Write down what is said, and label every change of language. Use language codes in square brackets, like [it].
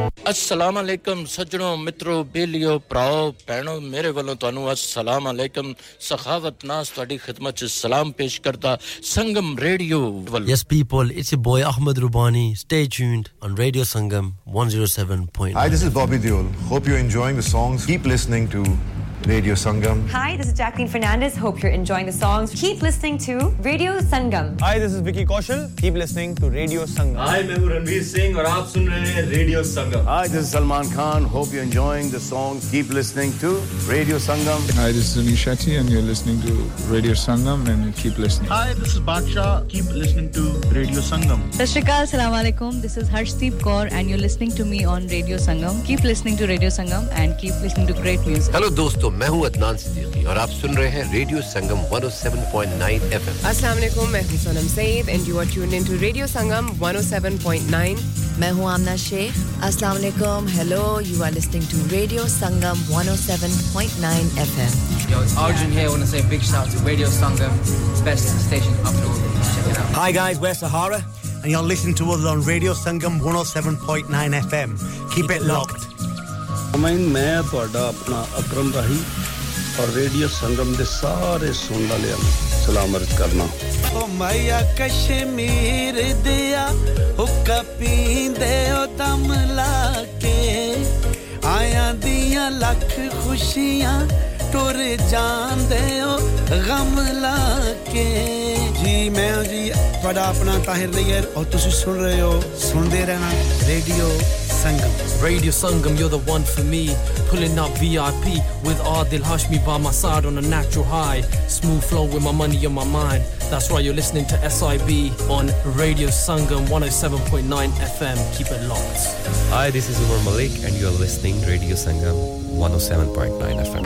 [pa] ਅਸਲਾਮ ਅਲੈਕਮ ਸੱਜਣੋ ਮਿੱਤਰੋ ਬੇਲੀਓ ਭਰਾਓ ਭੈਣੋ ਮੇਰੇ ਵੱਲੋਂ ਤੁਹਾਨੂੰ ਅਸਲਾਮ ਅਲੈਕਮ ਸਖਾਵਤ ਨਾਸ ਤੁਹਾਡੀ ਖਿਦਮਤ 'ਚ ਸਲਾਮ ਪੇਸ਼ ਕਰਦਾ ਸੰਗਮ ਰੇਡੀਓ [en] ਵੱਲ yes people it's a boy Ahmad Rubani stay tuned on radio Sangam 107.9 hi this is Bobby Deol hope you are enjoying the songs keep listening to Radio Sangam. Hi, this is Jacqueline Fernandez. Hope you're enjoying the songs. Keep listening to Radio Sangam. Hi, this is Vicky Kaushal. Keep listening to Radio Sangam. Hi, I'm Ranveer Singh and you're listening to Radio Sangam. Hi, this is Salman Khan. Hope you're enjoying the songs. Keep listening to Radio Sangam. Hi, this is Anish Shetty and you're listening to Radio Sangam and keep listening. Hi, this is Badshah. Keep listening to Radio Sangam. [pa] Sat Sri Akaal, Assalamu Alaikum. [en] This is Harshdeep Kaur and you're listening to me on Radio Sangam. Keep listening to Radio Sangam and keep listening to great music. [hi] Hello, dosto. मैं हूं अदनान सिद्दीकी और आप सुन रहे हैं radio संगम 107.9 FM [en] अस्सलाम वालेकुम [hi] मैं हूं [en] Sonam Saeed and you are tuned into radio Sangam 107.9 [hi] मैं हूं [en] आमना शेख अस्सलाम वालेकुम hello you are listening to radio Sangam 107.9 FM yo Arjun here want to say big shout to radio Sangam best station up north hi guys we're Sahara and you are listening to us on radio Sangam 107.9 FM keep it locked [pa] ਮੈਂ ਤੁਹਾਡਾ ਆਪਣਾ ਅਕਰਮ ਰਾਹੀ ਔਰ radio ਸੰਗਮ ਦੇ ਸਾਰੇ ਸੁਣਨ ਵਾਲਿਆਂ ਨੂੰ ਸਲਾਮ ਅਰਜ਼ ਕਰਨਾ ਓ ਮਾਇਆ ਕਸ਼ਮੀਰ ਦਿਆ ਹੁੱਕਾ ਪੀਂਦੇ ਓ ਦਮ ਲਾ ਕੇ ਆਇਆ ਦੀਆਂ ਲੱਖ ਖੁਸ਼ੀਆਂ ਟੁਰ ਜਾਂਦੇ ਓ ਗਮ ਲਾ ਕੇ ਜੀ ਮੈਂ ਜੀ ਤੁਹਾਡਾ ਆਪਣਾ ਤਾਹਿਰ ਲਈਅਰ ਔਰ ਤੁਸੀਂ ਸੁਣ ਰਹੇ ਹੋ ਸੁਣਦੇ ਰਹਿਣਾ radio Sangam. [en] Radio Sangam, you're the one for me. Pulling up VIP with Adil Hashmi by my side on a natural high. Smooth flow with my money on my mind. That's right, you're listening to SIB on Radio Sangam 107.9 FM. Keep it locked. Hi, this is Umar Malik and you're listening to Radio Sangam 107.9 FM.